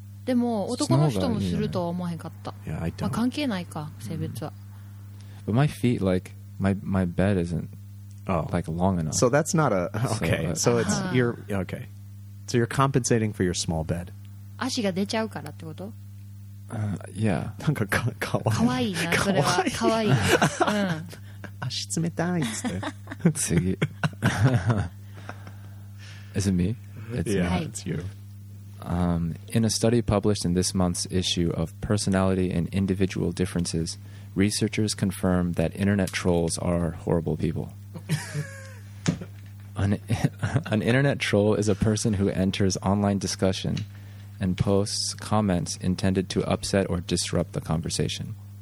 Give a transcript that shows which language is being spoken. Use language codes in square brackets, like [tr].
[ja] でも男の人もするとは思わへんかった。 [en] Yeah, I don't. [ja] まあ関係ないか、性別は。 [en] But my feet, like, my bed isn't, like, long enough. So that's not a... Okay, so it's... You're... Okay. So you're compensating for your small bed. [ja] 足が出ちゃうからってこと? [en] Yeah. [ja] なんかかわいいな、それは。かわいい。足冷たいっつって。次。 [en] Is it me? It's you. In a study published in this month's issue of Personality and Individual Differences, researchers confirm that internet trolls are horrible people. An internet troll is a person who enters online discussion and posts comments intended to upset or disrupt the conversation.